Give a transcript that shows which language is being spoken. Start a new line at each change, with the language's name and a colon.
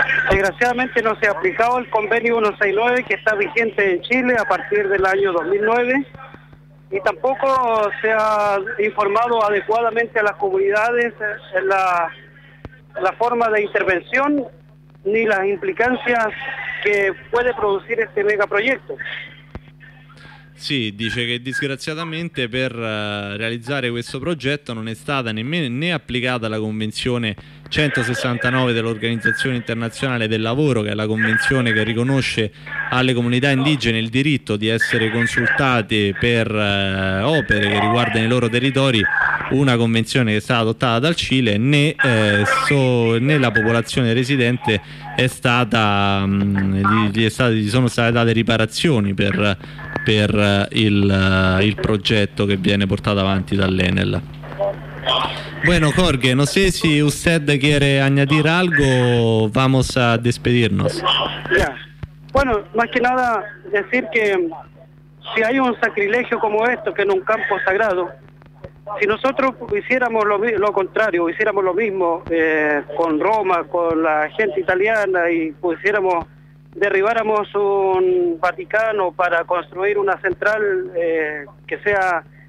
Spanish: Desgraciadamente no se ha aplicado el convenio 169 que está vigente en Chile a partir del año 2009, y tampoco se ha informado adecuadamente a las comunidades en la la forma de intervención ni las implicancias que puede producir este megaproyecto.
Italian: Sì, dice che disgraziatamente per realizzare questo progetto non è stata nemmeno né applicata la convenzione 169 dell'Organizzazione Internazionale del Lavoro, che è la convenzione che riconosce alle comunità indigene il diritto di essere consultate per opere che riguardano i loro territori, una convenzione che è stata adottata dal Cile, né, né la popolazione residente è stata gli sono state date riparazioni per il progetto che viene portato avanti dall'Enel.
Spanish: Bueno, Jorge, no sé si usted quiere añadir algo, vamos a despedirnos. Bueno, más que nada decir que si hay un sacrilegio como esto, que en un campo sagrado, si nosotros hiciéramos lo contrario, hiciéramos lo mismo con Roma, con la gente italiana, y pusiéramos, derribáramos un Vaticano para construir una central que sea...